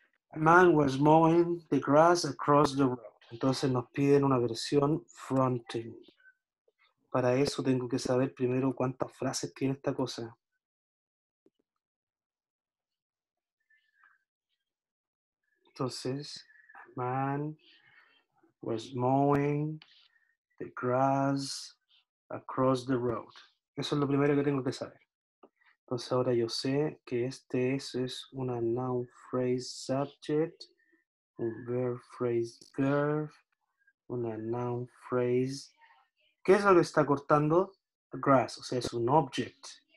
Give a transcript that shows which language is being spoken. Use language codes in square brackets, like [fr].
[en] A man was mowing the grass across the road. [es] Entonces nos piden una versión fronting. Para eso tengo que saber primero cuántas frases tiene esta cosa. [en] Entonces, a man was mowing the grass across the road. [es] Eso es lo primero que tengo que saber. Entonces ahora yo sé que este es una noun phrase subject, un verb phrase verb, una noun phrase. ¿Qué es lo que está cortando? [en] The grass, [es] o sea, es un object.